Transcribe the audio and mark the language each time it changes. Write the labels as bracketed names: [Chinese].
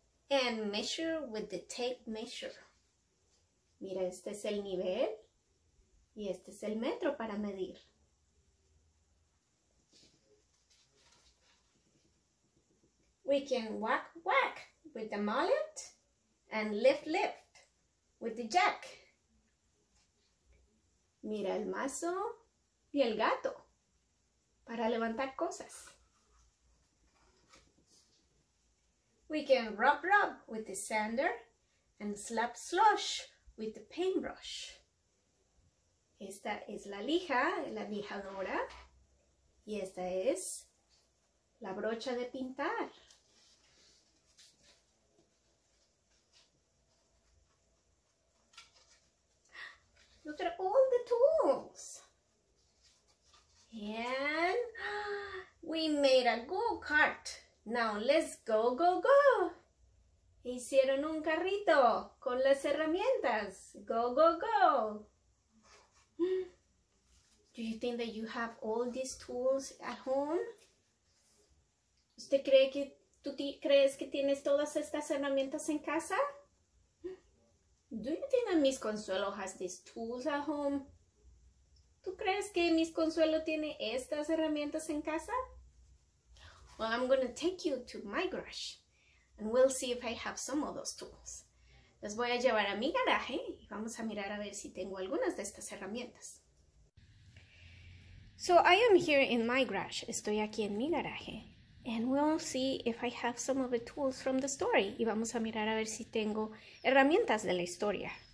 [English] And measure with the tape measure. [Spanish] Mira, este es el nivel. Y este es el metro para medir. [English] We can whack with the mallet and lift with the jack. [Spanish] Mira el mazo y el gato para levantar cosas. [English] We can rub with the sander and slap slosh with the paintbrush. [Spanish] Esta es la lija, la lijadora, y esta es la brocha de pintar. [English] Look at all the tools. And we made a go-kart. Now let's go. [Spanish] Hicieron un carrito con las herramientas. [English] Go. Do you think that you have all these tools at home? [Spanish] ¿Usted cree que tú crees que tienes todas estas herramientas en casa? [English] Do you think that Miss Consuelo has these tools at home? [Spanish] ¿Tú crees que Miss Consuelo tiene estas herramientas en casa? [English] Well, I'm going to take you to my garage and we'll see if I have some of those tools. [Spanish] Las voy a llevar a mi garaje y vamos a mirar a ver si tengo algunas de estas herramientas. [English] So I am here in my garage. [Spanish] Estoy aquí en mi garaje. [English] And we'll see if I have some of the tools from the story. [Spanish] Y vamos a mirar a ver si tengo herramientas de la historia.